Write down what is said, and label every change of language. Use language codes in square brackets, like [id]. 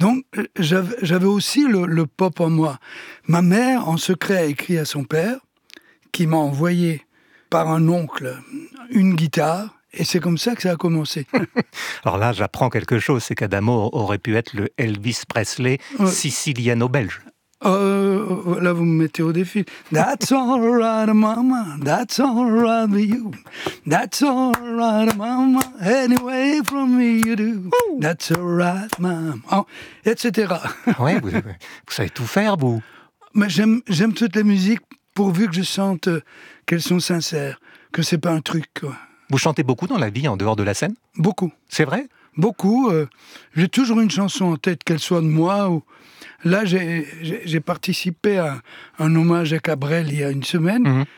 [fr] Donc j'avais aussi le pop en moi. Ma mère, en secret, a écrit à son père, qui m'a envoyé par un oncle une guitare, et c'est comme ça que ça a commencé. Alors là, j'apprends quelque chose, c'est qu'Adamo aurait pu être le Elvis Presley siciliano-belge. Là, vous me mettez au défi. [en] That's all right, mama, that's all right with you. That's all right, mama, anyway from me you do. That's all right, mama, oh, etc. [fr] Ouais, vous savez tout faire, vous. Mais j'aime toutes les musiques, pourvu que je sente qu'elles sont sincères, que c'est pas un truc, quoi. Vous chantez beaucoup dans la vie, en dehors de la scène ? Beaucoup. C'est vrai ? Beaucoup. J'ai toujours une chanson en tête, qu'elle soit de moi. Ou... Là, j'ai participé à un hommage à Cabrel il y a une semaine. Mm-hmm.